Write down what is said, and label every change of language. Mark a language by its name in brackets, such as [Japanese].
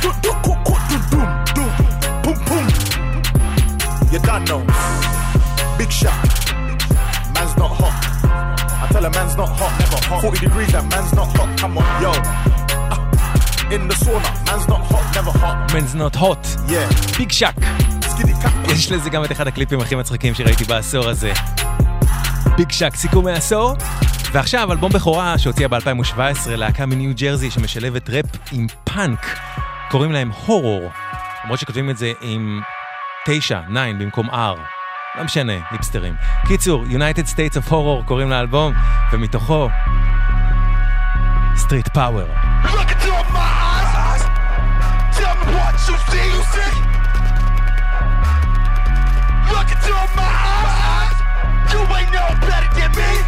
[English] Do, do, co, co, do, boom, boom. Boom, boom. You done know. Big shot. Man's not hot. Tell a man's not hot, never hot. 40 degrees, that man's not hot, come on, yo. In the sauna, man's not hot, never hot. Man's not hot. Yeah. Big shack. [Hebrew] יש לזה גם את אחד הקליפים הכי מצחיקים שראיתי בעשור הזה. Big shack, סיכום העשור. ועכשיו, אלבום בכורה שהוציאה ב-2017, להקה מניו ג'רזי שמשלבת רפ עם פאנק. קוראים להם הורור. למרות שכותבים את זה עם 9 במקום R. לא משנה, היפסטרים. קיצור, United States of Horror קוראים לאלבום, ומתוכו Street Power. [English] Look into my eyes. Tell me what you see, you see. Look into my eyes. You ain't no better than me.